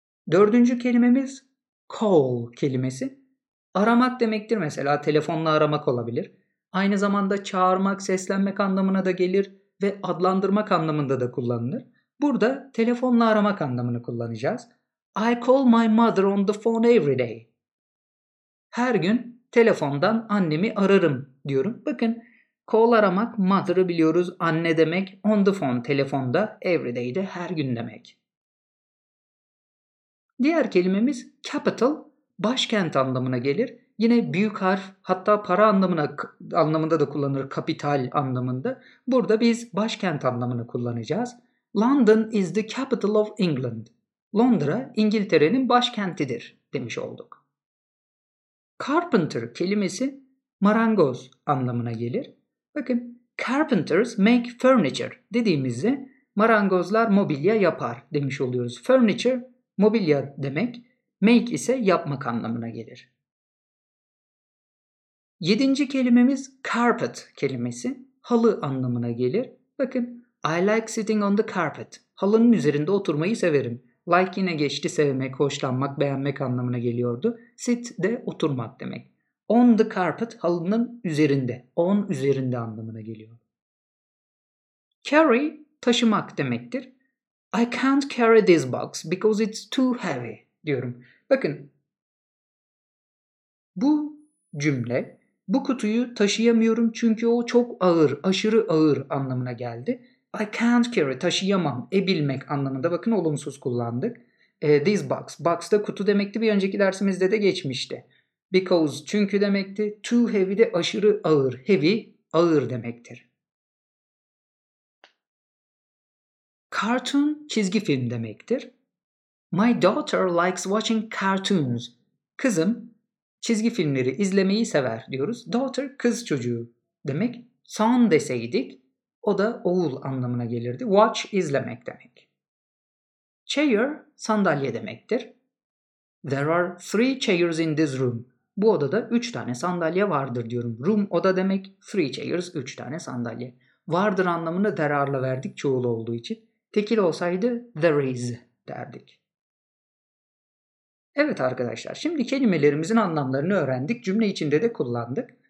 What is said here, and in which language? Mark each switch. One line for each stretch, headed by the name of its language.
Turkish: Dördüncü kelimemiz call kelimesi. Aramak demektir, mesela telefonla aramak olabilir. Aynı zamanda çağırmak, seslenmek anlamına da gelir ve adlandırmak anlamında da kullanılır. Burada telefonla aramak anlamını kullanacağız.
English: I call my mother on the phone every day.
Turkish: Her gün telefondan annemi ararım diyorum. Bakın call aramak, mother'ı biliyoruz, anne demek.
English: On the phone,
Turkish: telefonda,
English: every day
Turkish: de her gün demek. Diğer kelimemiz capital, başkent anlamına gelir. Yine büyük harf, hatta para anlamında da kullanılır, kapital anlamında. Burada biz başkent anlamını kullanacağız.
English: London is the capital of England.
Turkish: Londra, İngiltere'nin başkentidir demiş olduk. Carpenter kelimesi marangoz anlamına gelir. Bakın,
English: carpenters make furniture
Turkish: dediğimizde marangozlar mobilya yapar demiş oluyoruz. Furniture, mobilya demek. Make ise yapmak anlamına gelir. Yedinci kelimemiz carpet kelimesi. Halı anlamına gelir. Bakın,
English: I like sitting on the carpet.
Turkish: Halının üzerinde oturmayı severim. Like yine geçti, sevmek, hoşlanmak, beğenmek anlamına geliyordu. Sit de oturmak demek.
English: On the carpet,
Turkish: halının üzerinde. On üzerinde anlamına geliyor. Carry, taşımak demektir.
English: I can't carry this box because it's too heavy
Turkish: diyorum. Bakın, bu cümle, bu kutuyu taşıyamıyorum çünkü o çok ağır, aşırı ağır anlamına geldi.
English: I can't carry,
Turkish: taşıyamam, ebilmek anlamında, bakın olumsuz kullandık.
English: This box,
Turkish: box da kutu demekti, bir önceki dersimizde de geçmişti. Because, çünkü demekti.
English: Too heavy
Turkish: de aşırı ağır, heavy, ağır demektir. Cartoon, çizgi film demektir.
English: My daughter likes watching cartoons.
Turkish: Kızım çizgi filmleri izlemeyi sever diyoruz. Daughter kız çocuğu demek. Son deseydik O da oğul anlamına gelirdi. Watch izlemek demek. Chair sandalye demektir.
English: There are three chairs in this room.
Turkish: Bu odada 3 tane sandalye vardır diyorum. Room oda demek,
English: three chairs
Turkish: 3 tane sandalye. Vardır anlamını there are'la verdik çoğul olduğu için. Tekil olsaydı there is derdik. Evet arkadaşlar, şimdi kelimelerimizin anlamlarını öğrendik. Cümle içinde de kullandık.